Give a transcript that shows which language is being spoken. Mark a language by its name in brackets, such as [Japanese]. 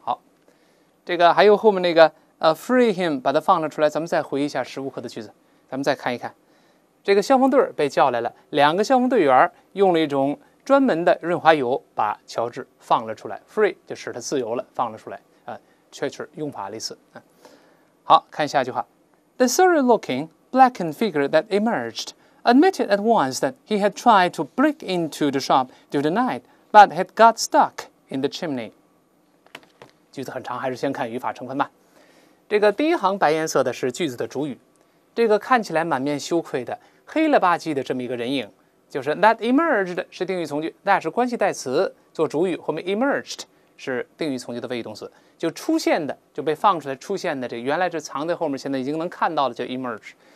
[Chinese] 好，这个还有后面那个 [English] free him [Chinese] 把它放了出来，咱们再回忆一下15课的句子，咱们再看一看。这个消防队被叫来了，两个消防队员用了一种专门的润滑油把乔治放了出来， free 就使他自由了，放了出来啊，确实用法类似、啊、好，看下一句话。 [English] The sorry looking blackened figure that emerged admitted at once that he had tried to break into the shop during the night but had got stuck in the chimney。 [Chinese] 句子很长，还是先看语法成分吧。这个第一行白颜色的是句子的主语，这个看起来满面羞愧的黑了吧唧的这么一个人影，就是 [English] that emerged [Chinese] 是定语从句， that 是关系代词做主语，后面 emerged 是定语从句的谓语动词，就出现的，就被放出来出现的，这原来是藏在后面，现在已经能看到了，叫 emerge。